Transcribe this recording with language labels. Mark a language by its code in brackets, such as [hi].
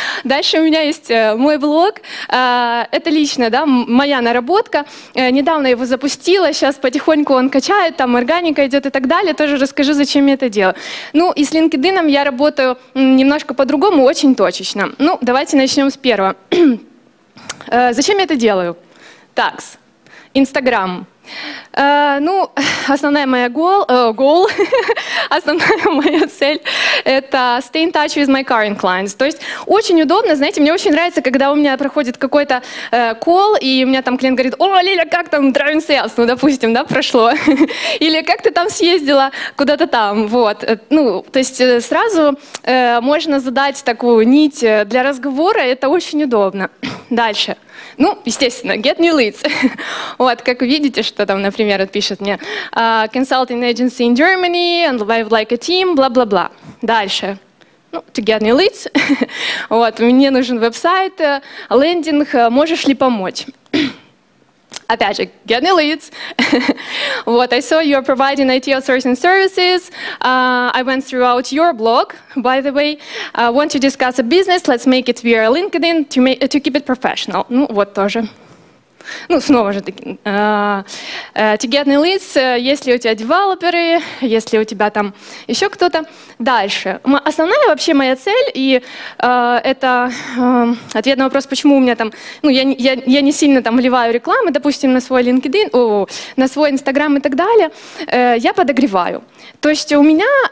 [ru] Дальше у меня есть мой блог. Это личная, да, моя наработка. Недавно его запустила, сейчас потихоньку он качает, там органика идет и так далее. Тоже расскажу, зачем я это делаю. Ну и с LinkedIn я работаю немножко по-другому, очень точечно. Ну давайте начнем с первого. Зачем я это делаю? Так, Инстаграм. [en] Основная моя goal, основная моя цель – это stay in touch with my current clients. [ru] То есть очень удобно, знаете, мне очень нравится, когда у меня проходит какой-то call, и у меня там клиент говорит: «О, Лиля, как там driving sales?» Ну, допустим, да, прошло. Или «Как ты там съездила куда-то там?» Вот. Ну, то есть сразу можно задать такую нить для разговора, это очень удобно. Дальше. [en] Ну, естественно, get new leads. Вот, как вы видите, что там, например, пишет мне consulting agency in Germany, and I would like a team, бла-бла-бла. [ru] Дальше. [en] Ну, to get new leads. [ru] Вот, мне нужен веб-сайт, лендинг, можешь ли помочь? [en] Опять же, get new leads. Вот, I saw you are providing IT outsourcing services. I went throughout your blog, by the way. Want to discuss a business, let's make it via LinkedIn to keep it professional. [ru] Ну, вот тоже. Ну, снова же таки. To get new leads, есть ли у тебя девелоперы, есть ли у тебя там еще кто-то. Дальше. Основная вообще моя цель, и ответ на вопрос, почему у меня там, ну, я не сильно там вливаю рекламы, допустим, на свой LinkedIn, на свой Instagram и так далее, я подогреваю. То есть у меня